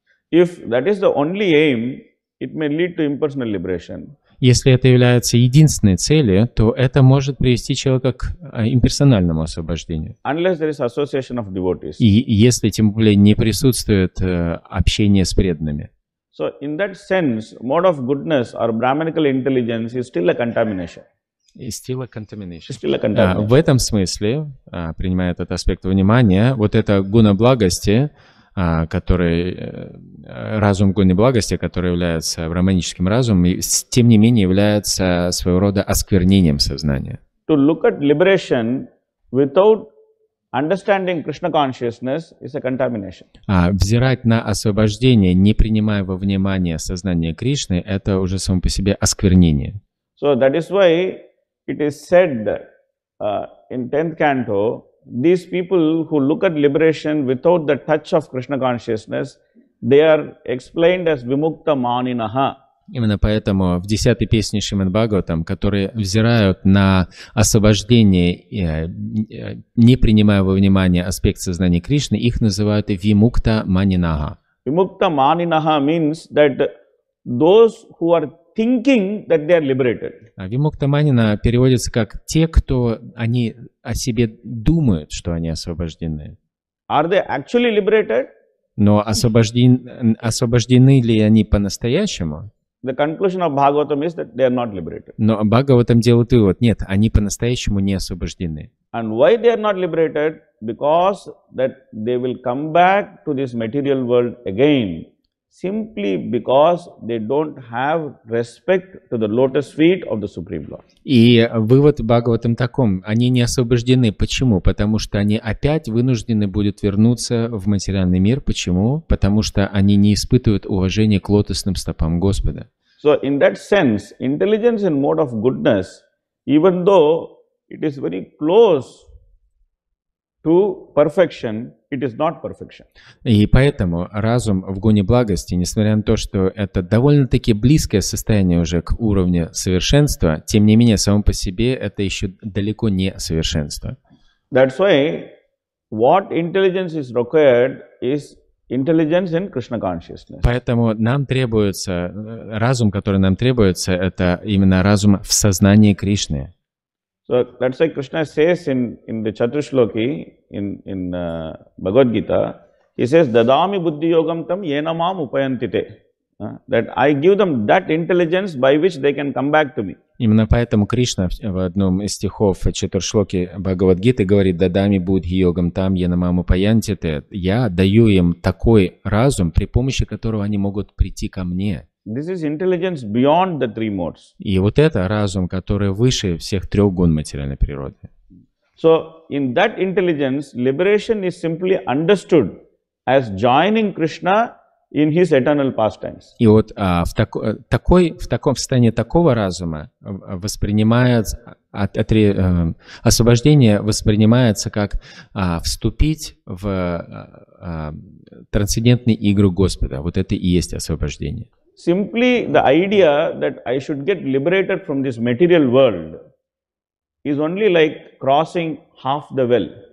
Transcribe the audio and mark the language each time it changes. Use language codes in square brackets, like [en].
[en] If that is the only aim, it may lead to impersonal liberation. [ru] Если это является единственной целью, то это может привести человека к имперсональному освобождению. [en] Unless there is association of devotees. [ru] И если, тем более, не присутствует общение с преданными. [en] So in that sense, mode of goodness or brahmanical intelligence is still a contamination. [ru] В этом смысле, принимая этот аспект внимания, вот эта гуна благости, который разум гуны благости, который является брахманическим разумом, тем не менее является своего рода осквернением сознания. [en] To look at liberation without understanding Krishna consciousness is a contamination. [ru] Взирать на освобождение, не принимая во внимание сознание Кришны, это уже само по себе осквернение. [en] So that is why it is said in 10th canto, these people who look at liberation without the touch of Krishna consciousness, they are explained as vimukta maninaha. [ru] Именно поэтому в 10-й песне Шримад-Бхагаватам, которые взирают на освобождение, не принимая во внимание аспект сознания Кришны, их называют вимукта манинаха. [en] Vimukta maninaha means that those who are thinking that they are liberated. [ru] Вимукта манина переводится как те, кто они о себе думают, что они освобождены. [en] Are they actually liberated? [ru] Но освобождены ли они по-настоящему? [en] The conclusion of Bhagavatam is that they are not liberated. [ru] Но Бхагаватам делает вывод: нет, они по-настоящему не освобождены. [en] And why they are not liberated? Because that they will come back to this material world again. Simply because they don't have respect to the lotus feet of the Supreme Lord. [ru] И вывод Бхагаватам таком: они не освобождены. Почему? Потому что они опять вынуждены будут вернуться в материальный мир. Почему? Потому что они не испытывают уважения к лотосным стопам Господа. [en] So in that sense, intelligence in mode of goodness, even though it is very close to perfection, it is not perfection. [ru] И поэтому разум в гуне благости, несмотря на то, что это довольно-таки близкое состояние уже к уровню совершенства, тем не менее, само по себе это еще далеко не совершенство. [en] That's why what intelligence is required is intelligence in Krishna consciousness. [ru] Поэтому нам требуется разум, который нам требуется, это именно разум в сознании Кришны. [en] So that's why Krishna says in the Chatushloki in Bhagavad Gita, he says [sa] dadami buddhi yogam tam yena mam upayantite, [en] that I give them that intelligence by which they can come back to me. [ru] Именно поэтому Кришна в одном из стихов Чатуршлоки Бхагавад Гиты говорит: [sa] дадами буддхи йогам там яна маму паянтите. [ru] Я даю им такой разум, при помощи которого они могут прийти ко мне. [en] This is intelligence beyond the three modes. [ru] И вот это разум, который выше всех трех гун материальной природы. [en] So in that intelligence, liberation is simply understood as joining Krishna in his eternal pastimes. [ru] И вот в таком состоянии такого разума освобождение воспринимается как вступить в трансцендентную игру Господа. Вот это и есть освобождение. [en] Simply the idea that I should get liberated from this material world is only like crossing half the well.